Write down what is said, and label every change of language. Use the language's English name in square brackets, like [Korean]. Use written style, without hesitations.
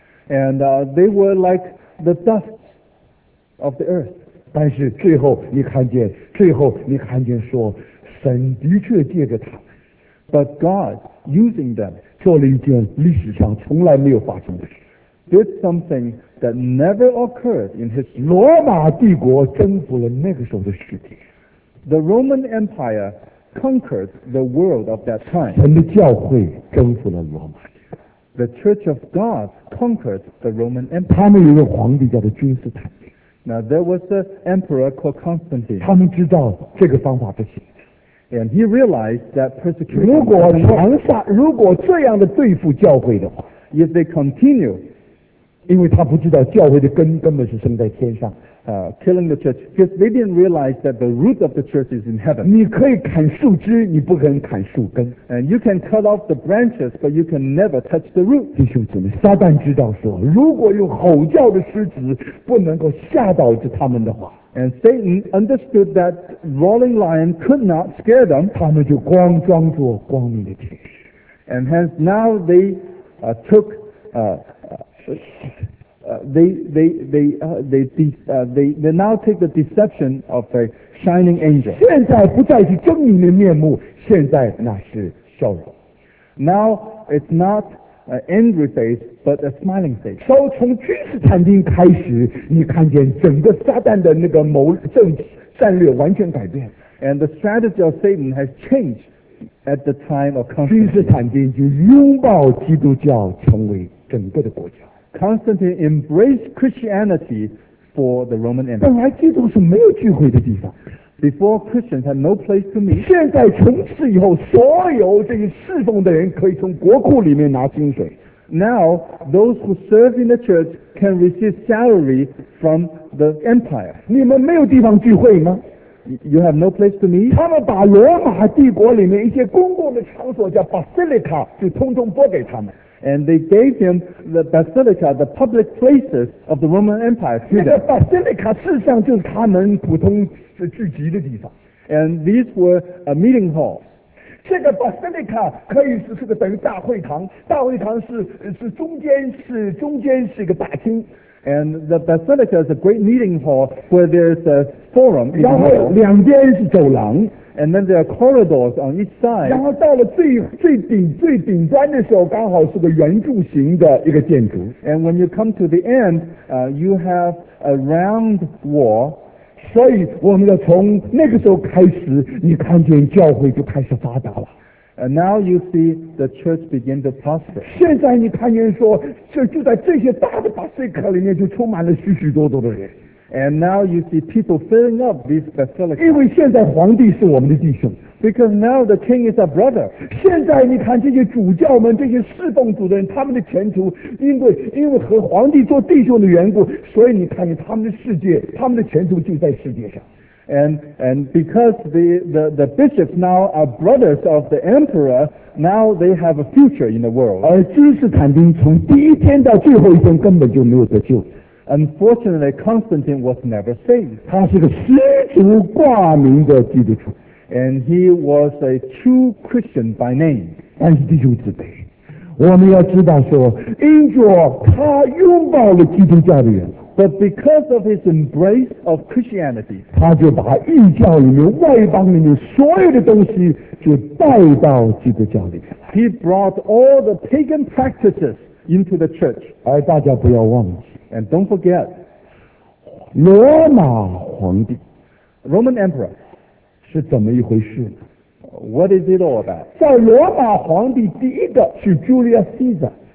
[English] and they were like the dust of the earth. [Chinese] 但是最后你看见说神的确借着他们 [English] But God, using them, [Chinese] 做了一件历史上从来没有发生的事 [English] did something that never occurred in history. [Chinese] 罗马帝国征服了那个时候的世界。 [English] The Roman Empire conquered the world of that time. [Chinese] 神的教会征服了罗马。 [English] The Church of God conquered the Roman Empire. [Chinese] 他们有一个皇帝叫做君士坦丁。 [English] Now there was an emperor called Constantine. [Chinese] 他们知道这个方法不行。 [English] And he realized that persecution. [Chinese] 如果这样的对付教会的话， [English] if they continue, [Chinese] 因为他不知道教会的根根本是生在天上。 [English] Killing the church because they didn't realize that the root of the church is in heaven. [Chinese] 你可以砍树枝，你不可能砍树根。 [English] And you can cut off the branches, but you can never touch the root. [Chinese] 弟兄姊妹，撒旦知道说，如果用吼叫的狮子不能够吓倒着他们的话 [English] And Satan understood that roaring lion could not scare them. [Chinese] 他们就光装作光明的天使。 [English] And hence now they took they now take the deception of a shining angel. [Chinese] 现在不再是狰狞的面目，现在那是笑容。 [English] Now it's not an angry face, but a smiling face. [Chinese] 稍从君士坦丁开始，你看见整个撒旦的那个谋政战略完全改变。 [English] And the strategy of Satan has changed at the time of Constantine. [Chinese] 君士坦丁就拥抱基督教成为整个的国家。 [English] Constantine embraced Christianity for the Roman Empire. [Chinese] 本来基督是没有聚会的地方。 [English] Before Christians had no place to meet. [Chinese] 现在从此以后，所有这些侍奉的人可以从国库里面拿薪水。 [English] Now those who serve in the church can receive salary from the empire. [Chinese] 你们没有地方聚会吗？ [English] You have no place to meet? [Chinese] 他们把罗马帝国里面一些公共的场所叫 Basilica 就通通拨给他们。 [English] And they gave him the basilica, the public places of the Roman Empire. [Chinese] 那个 basilica 事实上就是他们普通聚集的地方。 [English] And these were a meeting halls. [Chinese] 这个 basilica 可以是个等于大会堂，大会堂是中间是一个大厅。 [English] And the basilica is a great meeting hall where there's a forum. [Chinese] 然后两边是走廊。 [English] And then there are corridors on each side. [Chinese] 然后到了最顶端的时候，刚好是个圆柱形的一个建筑。 [English] And when you come to the end, you have a round wall. [Chinese] 所以我们要从那个时候开始，你看见教会就开始发达了。 [English] And now you see the church begin to prosper. [Chinese] 现在你看见说，就在这些大的basilica里面，就充满了许许多多的人。 [English] And now you see people filling up these basilica. [Chinese] 因为现在皇帝是我们的弟兄。 [English] Because now the king is our brother. [Chinese] 现在你看这些主教们，这些侍奉主的人，他们的前途，因为和皇帝做弟兄的缘故，所以你看见他们的世界，他们的前途就在世界上。 [English] And because the bishops now are brothers of the emperor, now they have a future in the world. [Chinese] 而君士坦丁从第一天到最后一天根本就没有得救。 [English] Unfortunately, Constantine was never saved. [Chinese] 他是个十足挂名的基督徒。 [English] And he was a true Christian by name. [Chinese] 但是弟兄姊妹，我们要知道说，因着他拥抱了基督教的缘故。 [English] But because of his embrace of Christianity, [Chinese] 他就把异教里面外邦里面所有的东西就带到基督教里面来。 [English] He brought all the pagan practices into the church. [Chinese] 而大家不要忘记。 [English] And don't forget, [Chinese] 罗马皇帝 [English] Roman Emperor [Chinese] 是怎么一回事呢？ [English] What is it all about? [Chinese] 在罗马皇帝第一个是 Julius Caesar.